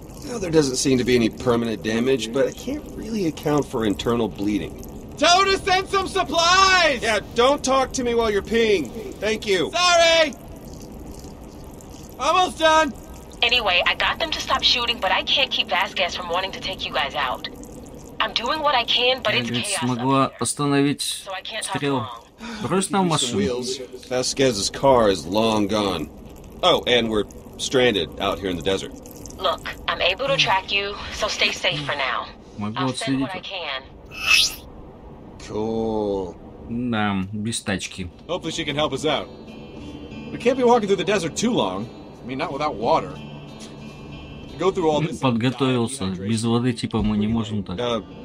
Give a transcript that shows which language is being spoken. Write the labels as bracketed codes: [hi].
[en] Well, there doesn't seem to be any permanent damage, but I can't really account for internal bleeding. Tota sent some supplies! Yeah, don't talk to me while you're peeing. Thank you. Sorry! Almost done! Anyway, I got them to stop shooting, but I can't keep Vasquez from wanting to take you guys out. I'm doing what I can, but it's chaos. [ru] Смогла остановить стрел. Брось нам машину. [en] Vasquez's car is long gone. Oh, and we're stranded out here in the desert. Look, I'm able to track you, so stay safe for now. [ru] Могу [en] I'll send what I can. Cool. [ru] Да, без тачки. [en] Hopefully she can help us out. We can't be walking through the desert too long. I mean, not without water. Go through all this. [ru] Подготовился. Без воды, типа, мы не можем так.